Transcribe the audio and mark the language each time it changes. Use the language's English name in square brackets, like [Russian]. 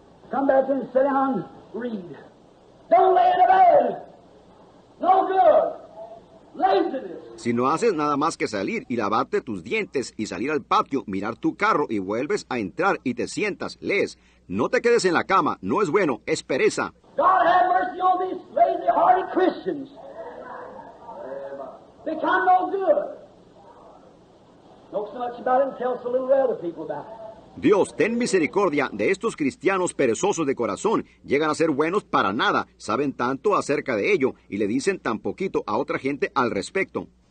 [English] Come back and sit down, read. Don't lay in a bed. No good. Laziness. [Spanish] Si no haces nada más que salir y lavarte tus dientes y salir al patio, mirar tu carro y vuelves a entrar y te sientas, lees. No te quedes en la cama. No es bueno. Es pereza. [English] God have mercy on these lazy-hearted Christians. They come no good. Know so much about it and tell so little other people about it. [Spanish] Dios, ten misericordia de estos cristianos perezosos de corazón. Llegan a ser buenos para nada. Saben tanto acerca de ello y le dicen tan poquito a otra gente al respecto.